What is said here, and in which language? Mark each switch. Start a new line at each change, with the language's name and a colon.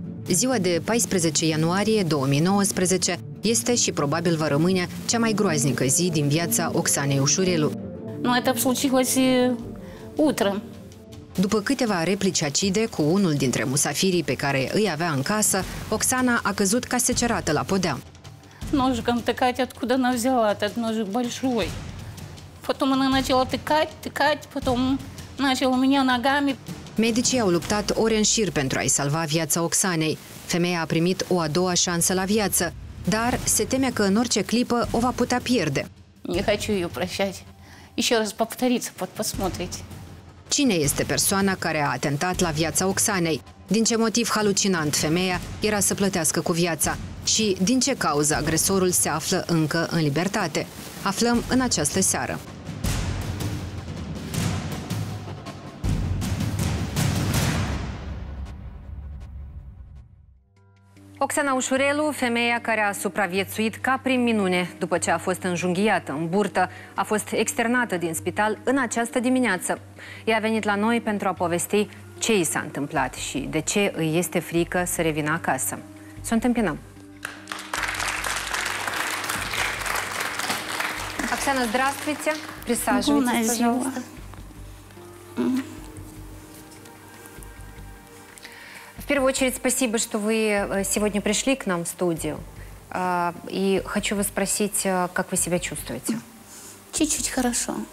Romanian: Ziua de 14 ianuarie 2019 este și probabil va rămâne cea mai groaznică zi din viața Oksanei Ușurelu. Nu, a
Russian: случилось утром.
Romanian: După câteva replici acide cu unul dintre musafirii pe care îi avea în casă, Oksana a căzut ca secerată la podea.
Russian: Ножик он тыкать, откуда она взяла этот ножик большой. Потом она начала тыкать, тыкать, потом начала у меня ногами.
Romanian: Medicii au luptat ore în șir pentru a-i salva viața Oksanei. Femeia a primit o a doua șansă la viață, dar se teme că în orice clipă o va putea pierde.
Russian: Не хочу ее прощать. Еще раз повторится, вот посмотрите.
Romanian: Cine este persoana care a atentat la viața Oksanei? Din ce motiv halucinant femeia era să plătească cu viața? Și din ce cauză agresorul se află încă în libertate? Aflăm în această seară. Oksana Ușurelu, femeia care a supraviețuit ca prin minune după ce a fost înjunghiată în burtă, a fost externată din spital în această dimineață. Ea a venit la noi pentru a povesti ce i s-a întâmplat și de ce îi este frică să revină acasă. Să o întâmpinăm!
Russian: Oksana, здравствуйте! Присаживайтесь, пожалуйста. В первую очередь, спасибо, что вы сегодня пришли к нам в студию. И хочу вас спросить, как вы себя чувствуете? Чуть-чуть хорошо.